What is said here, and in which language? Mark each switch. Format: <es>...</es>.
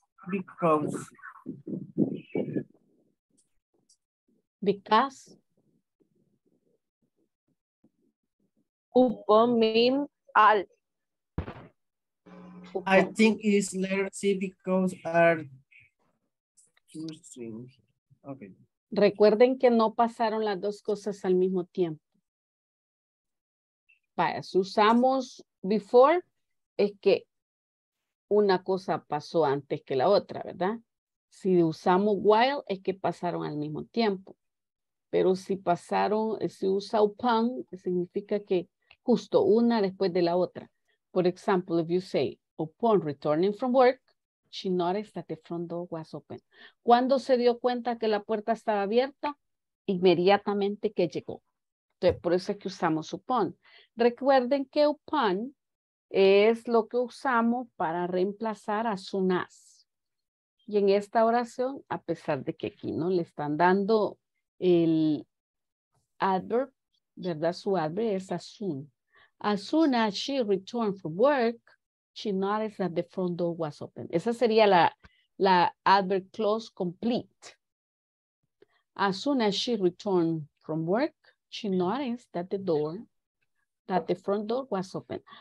<en>Because. Upon mean al. I think it's letter C because are two strings. Okay.</en> <es>Recuerden que no pasaron las dos cosas al mismo tiempo. Vaya, si usamos before, es que una cosa pasó antes que la otra, ¿verdad? Si usamos while, es que pasaron al mismo tiempo. Pero si pasaron, si usa upon, significa que justo una después de la otra. Por ejemplo,</es> <en>if you say, upon returning from work, she noticed that the front door was open.</en> <es>¿Cuándo se dio cuenta que la puerta estaba abierta? Inmediatamente que llegó. Entonces, por eso es que usamos upon. Recuerden que upon es lo que usamos para reemplazar a soon as. Y en esta oración, a pesar de que aquí no le están dando el adverb, ¿verdad? Su adverb es as soon.</es> <en>As soon as she returned from work, she noticed that the front door was open.</en> <es>Esa sería la adverb clause complete.</es> <en>As soon as she returned from work, she noticed that the door, that the front door was open.</en>